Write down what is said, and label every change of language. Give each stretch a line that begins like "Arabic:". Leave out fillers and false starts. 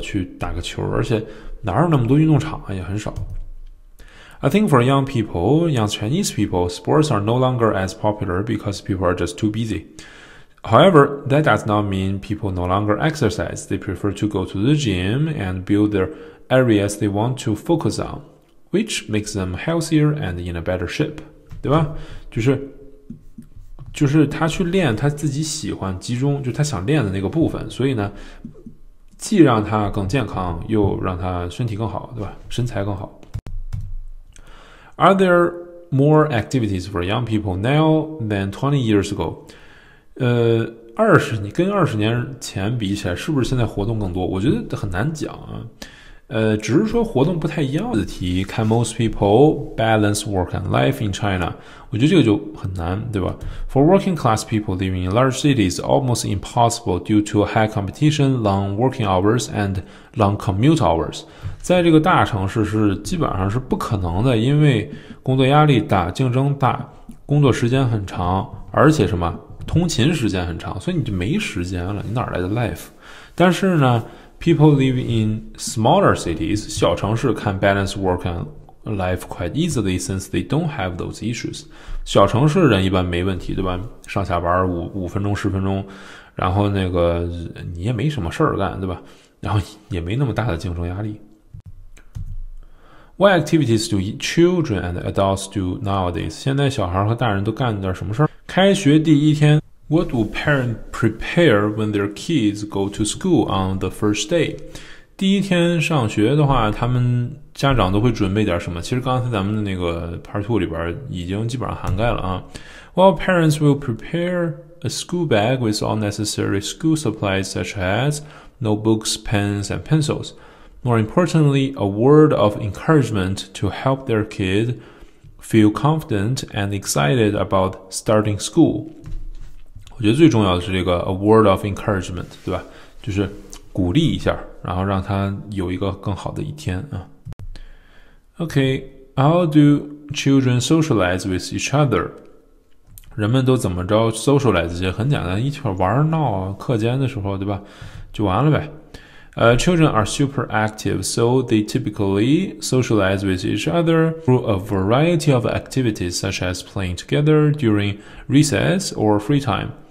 Chinese: 去打个球，而且哪有那么多运动场啊，也很少。
English: I think for young people, young Chinese people, sports are no longer as popular because people are just too busy. However, that does not mean people no longer exercise. They prefer to go to the gym and build their areas they want to focus on, which makes them healthier and in a better shape,
Chinese: 对吧？就是他去练他自己喜欢集中就他想练的那个部分，所以呢既让他更健康又让他身体更好，对吧？身材更好。
English: Are there more activities for young people now than 20 years ago?
Chinese: 跟20年前比起来是不是现在活动更多？我觉得很难讲啊。只是说活动不太一样的题。
English: Can most people balance work and life in China?
Chinese: 我觉得这个就很难，对吧？
English: For working class people living in large cities, almost impossible due to high competition, long working hours, and long commute hours.
Chinese: 在这个大城市是基本上是不可能的，因为工作压力大，竞争大，工作时间很长，而且什么通勤时间很长，所以你就没时间了，你哪来的 life? 但是呢
English: People living in smaller cities,
Chinese: 小城市
English: can balance work and life quite easily since they don't have those issues.
Chinese: 小城市人一般没问题，对吧？上下班五分钟十分钟，然后那个你也没什么事儿干，对吧？然后也没那么大的竞争压力。
English: What activities do children and adults do nowadays?
Chinese: 现在小孩和大人都干点什么事儿？开学第一天
English: What do parents prepare when their kids go to school on the first day?
Chinese: 第一天上学的话，他们家长都会准备点什么？其实刚才咱们的那个 part 2里边已经基本上涵盖了啊。
English: Well, parents will prepare a school bag with all necessary school supplies such as notebooks, pens, and pencils. More importantly, a word of encouragement to help their kid feel confident and excited about starting school.
Chinese: 我觉得最重要的是这个
English: a word of encouragement,
Chinese: 对吧？就是鼓励一下，然后让他有一个更好的一天啊。
English: Okay, how do children socialize with each other?
Chinese: 人们都怎么着 socialize 这些很简单一起玩闹课间的时候对吧就完了呗。
English: Children are super active, so they typically socialize with each other through a variety of activities such as playing together during recess or free time.